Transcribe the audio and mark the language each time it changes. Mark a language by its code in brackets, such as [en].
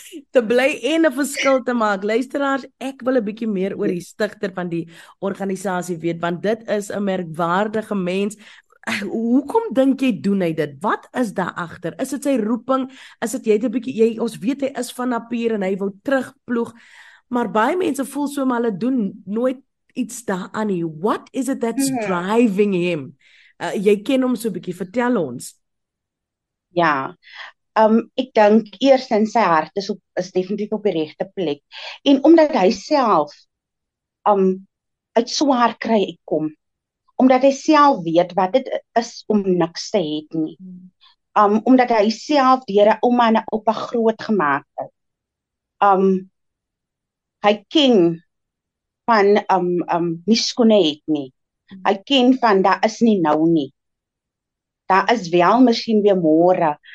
[af] Te bly en 'n verskil te maak. Luisteraars, ek wil 'n bietjie meer oor die stigter van die organisasie weet, want dit is 'n merkwaardige mens. Hoekom dink jy doen hy dit? Wat is daar agter? Is dit sy roeping? Is dit jy 'n bietjie jy ons weet hy is van Napier en hy wou terugploeg. Maar baie mense voel so maar hulle doen nooit iets daaraan nie. [en] What is it that's driving him? [af] Jy ken hom so 'n bietjie, vertel ons. Ja. Ek dink eers in sy hart is definitief op die regte plek. En omdat hy self uit swaar kry kom. Omdat hy self weet wat dit is om niks te hê nie. Omdat hy self deur 'n ouma en 'n oupa grootgemaak het. Hy ken van nie skoon het nie. Hy ken van daar is nie nou nie. Daar is wel miskien weer môre.